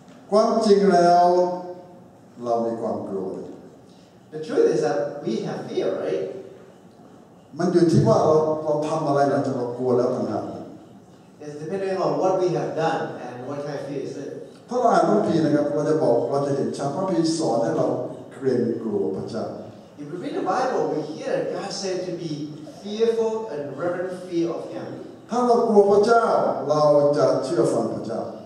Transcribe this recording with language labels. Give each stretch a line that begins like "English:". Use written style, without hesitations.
Thai: ความจริงแล้วเรามีความกลัว
English: The truth is that we have fear, right?
Thai: มันอยู่ที่ว่าเราทำอะไรนะจะเรากลัวแล้วทำงาน
English: It's depending on what we have done and what kind of fear is it.
Thai: ถ้าเราอ่านพระคัมภีร์นะครับเราจะบอกเราจะเห็นชัดพระคัมภีร์สอนให้เราเกรงกลัวพระเจ้า
English: If we read the Bible, we hear that God said to be fearful and reverent fear of Him.
Thai: ถ้าเรากลัวพระเจ้าเราจะเชื่อฟังพระเจ้า